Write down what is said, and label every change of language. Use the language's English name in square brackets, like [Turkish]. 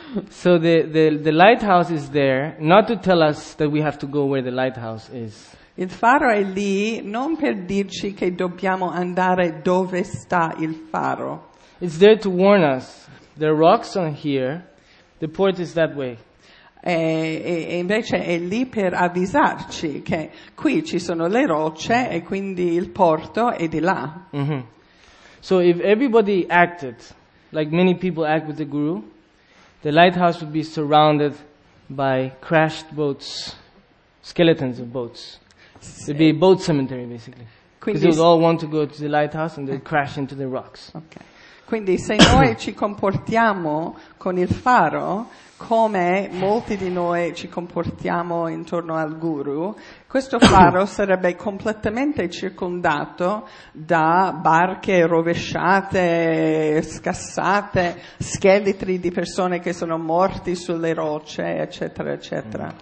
[English] So the lighthouse is there not to tell us that we have to go where the lighthouse is. [Italian] Il faro è lì non per dirci che dobbiamo andare dove sta il faro. [English] It's there to warn us. There are rocks on here. The port is that way. [Italian] E invece è lì per avvisarci che qui ci sono le rocce e quindi il porto è di là. Mm-hmm. [English] So if everybody acted like many people act with the guru, the lighthouse would be surrounded by crashed boats, skeletons of boats. It would be a boat cemetery, basically. Because they would all want to go to the lighthouse and they would crash into the rocks. Okay. [Italian] Quindi se noi ci comportiamo con il faro, come molti di noi ci comportiamo intorno al guru, questo faro sarebbe completamente circondato da barche rovesciate, scassate, scheletri di persone che sono morti sulle rocce, eccetera, eccetera.